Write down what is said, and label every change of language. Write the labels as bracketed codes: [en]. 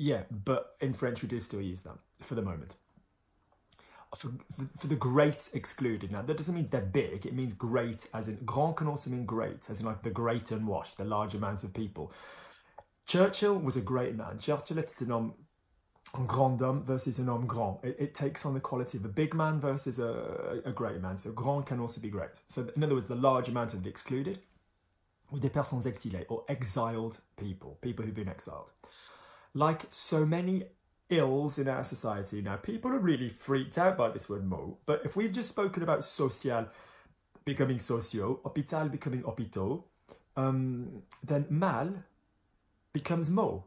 [en] But in French we do still use them for the moment. For the great excluded. Now, that doesn't mean they're big. It means great, as in, grand can also mean great, as in like the great unwashed, the large amount of people. Churchill was a great man. [fr] Churchill était un grand homme versus un homme grand. [en] It takes on the quality of a big man versus a great man. So grand can also be great. So in other words, the large amount of the excluded. [fr] Ou des personnes exilées, [en] or exiled people, people who've been exiled. Like so many ills in our society now, people are really freaked out by this word mot, but if we've just spoken about social becoming socio, hôpital becoming hôpitaux, then mal becomes mot.